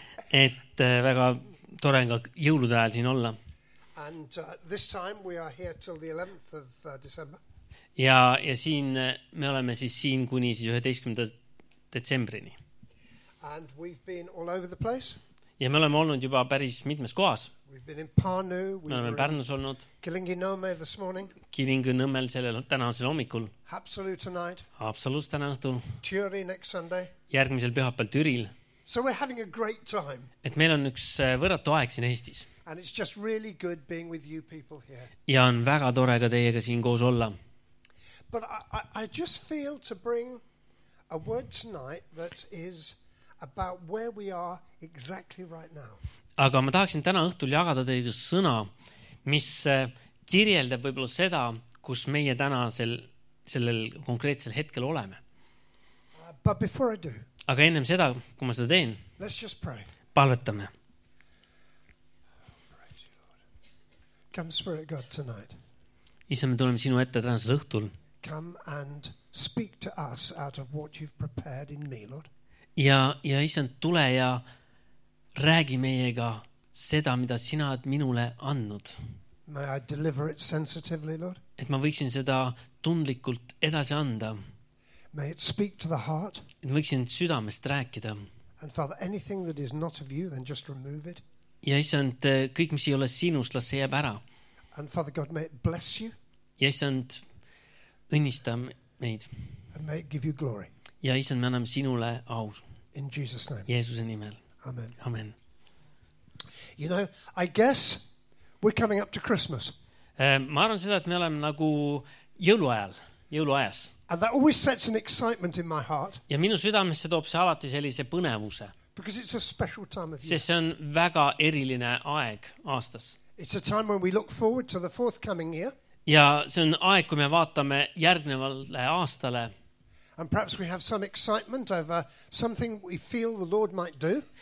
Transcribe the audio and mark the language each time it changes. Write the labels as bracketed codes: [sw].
[et] Et väga tore on ka jõulude ajal siin olla. [en] And this time we are here till the 11th of December. [et] Ja siin me oleme siis siin kuni siis 11. detsembrini. [en] And we've been all over the place. [et] Ja me oleme olnud juba päris mitmes kohas. [en] We've been in Pärnu. [et] Me oleme Pärnus olnud. [en] Kilingi-Nõmmel this morning. [et] Kilingi-Nõmmel sellel tänasel hommikul. [en] Haapsalu tonight. [et] Haapsalus täna õhtul. [en] Türi next Sunday. [et] Järgmisel pühapäeval Türil. [en] So we're having a great time. [et] Et meil on üks võrratu aeg siin Eestis. [en] And it's just really good being with you people here. [et] Ja on väga tore ka teiega siin koos olla. [en] But I just feel to bring a word tonight that is about where we are exactly right now. [et] Aga ma tahaksin täna õhtul jagada teiega sõna, mis kirjeldab võib-olla seda, kus meie täna sellel konkreetsel hetkel oleme. [en] But before I do. [et] Aga ennem seda, kui ma seda teen, [en] let's just pray. [et] Palvetame. [en] Praise you, Lord. Come, Spirit God, tonight. [et] Isa, me tuleme sinu ette tänasel õhtul. [en] Come and speak to us out of what you've prepared in me, Lord. [et] Ja Isa, tule ja räägi meiega seda, mida sina oled minule annud. [en] May I deliver it sensitively, Lord. [et] Et ma võiksin seda tundlikult edasi anda. [en] May it speak to the heart. [et] Et võiksin südamest rääkida. [en] And Father, anything that is not of you, then just remove it. [et] Ja Issand, kõik, mis ei ole sinust, las see jääb ära. [en] And Father God, may it bless you. [et] Ja Issand, õnnista meid. [en] And may it give you glory. [et] Ja Issand, me anname sinule au. [en] In Jesus' name. [et] Jeesuse nimel. [en] Amen. [et] Amen. [en] You know, I guess we're coming up to Christmas. [et] Ma arvan seda, et me oleme nagu jõuluajas. [en] And that always sets an excitement in my heart. [et] Ja minu südamesse toob see alati sellise põnevuse. [en] Because it's a special time of year. [et] Sest see on väga eriline aeg aastas. [en] It's a time when we look forward to the forthcoming year. [et] Ja see on aeg, kui me vaatame järgnevale aastale. [en] And perhaps we have some excitement over something we feel the Lord might do.